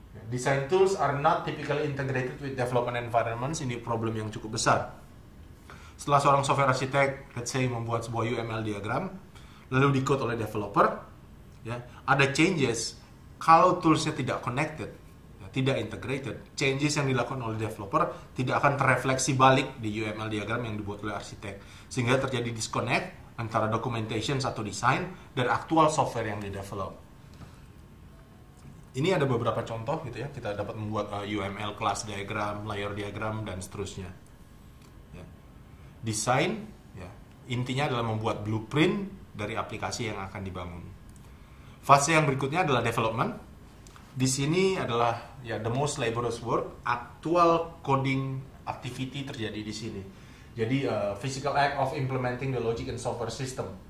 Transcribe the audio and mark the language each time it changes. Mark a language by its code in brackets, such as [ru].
[en] Design tools are not typically integrated with development environments. [id] Ini problem yang cukup besar. Setelah seorang software arsitek, [en] let's say, [id] membuat sebuah UML diagram, lalu di-code oleh developer, ya, ada changes kalau toolsnya tidak connected, ya, tidak integrated. Changes yang dilakukan oleh developer tidak akan terefleksi balik di UML diagram yang dibuat oleh arsitek, sehingga terjadi disconnect antara documentation atau design dan actual software yang didevelop. Ini ada beberapa contoh, gitu ya. Kita dapat membuat UML class diagram, layer diagram, dan seterusnya. Ya. Design, ya, intinya adalah membuat blueprint dari aplikasi yang akan dibangun. Fase yang berikutnya adalah development. Di sini adalah [en] the most laborious work. Actual coding activity [id] terjadi di sini. Jadi [en] physical act of implementing the logic and software system.